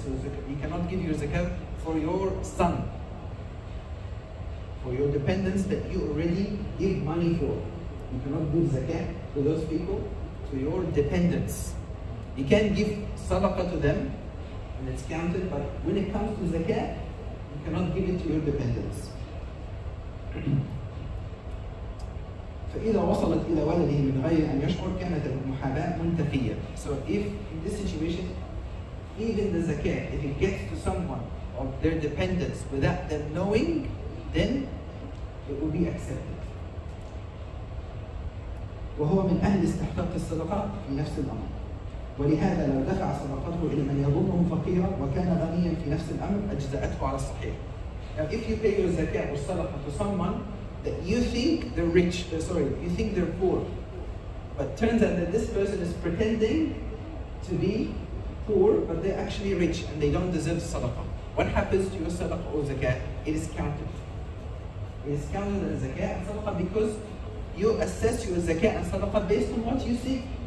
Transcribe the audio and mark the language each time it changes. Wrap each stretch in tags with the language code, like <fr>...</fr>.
<en>So you cannot give your zakat for your son, for your dependence that you already give money for. You cannot give zakat to those people, to your dependents. You can give sadaqah to them and it's counted, but when it comes to zakat, you cannot give it to your dependents.</en> <ar>فإذا وصلت إلى ولده من غير أن يشعر كانت المحاباة منتفية.</ar> <en>So if in this situation, even the zakat, if it gets to someone of their dependence without them knowing, then it will be accepted.</en> <ar>وهو من أهل استحقاق الصدقات في نفس الأمر. ولهذا لو دفع صدقته إلى من يظنه فقيرا وكان غنيا في نفس الأمر أجزأته على الصحيح.</ar> <en>Now if you pay your zakat or sadaqa to someone that you think they're rich, sorry, you think they're poor, but turns out that this person is pretending to be poor, but they're actually rich and they don't deserve sadaqah. What happens to your sadaqah or zakat? It is counted. It is counted as zakat and sadaqah because you assess your zakat and sadaqah based on what you see.</en>